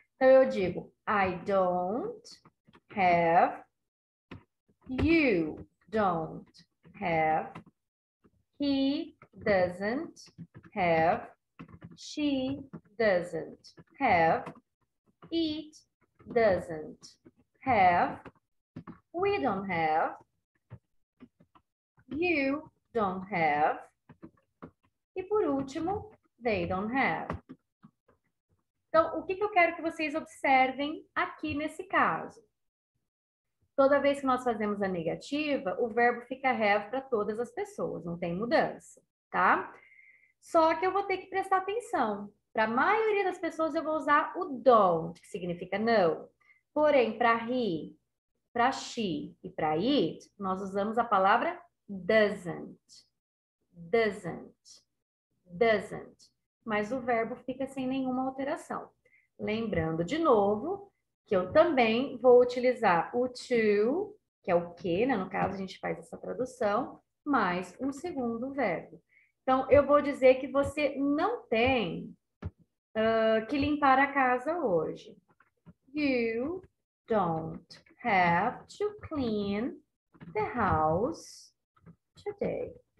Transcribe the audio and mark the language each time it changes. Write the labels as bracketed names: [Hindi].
[Portuguese] Então, eu digo, [English] I don't have, you don't have, he doesn't have, she doesn't have, it doesn't have, we don't have, you don't have, [Portuguese] e por último, [English] they don't have. [Portuguese] Então, o que que eu quero que vocês observem aqui nesse caso? Toda vez que nós fazemos a negativa, o verbo fica have para todas as pessoas, não tem mudança, tá? Só que eu vou ter que prestar atenção. Para a maioria das pessoas, eu vou usar o don't, que significa não. Porém, para [English] he, [Portuguese] Para she e para it, nós usamos a palavra doesn't. Doesn't. Mas o verbo fica sem nenhuma alteração. Lembrando de novo que eu também vou utilizar o to, que é o que, né? No caso, a gente faz essa tradução, mais um segundo verbo. Então, eu vou dizer que você não tem que limpar a casa hoje. [English] You don't have to clean the house today.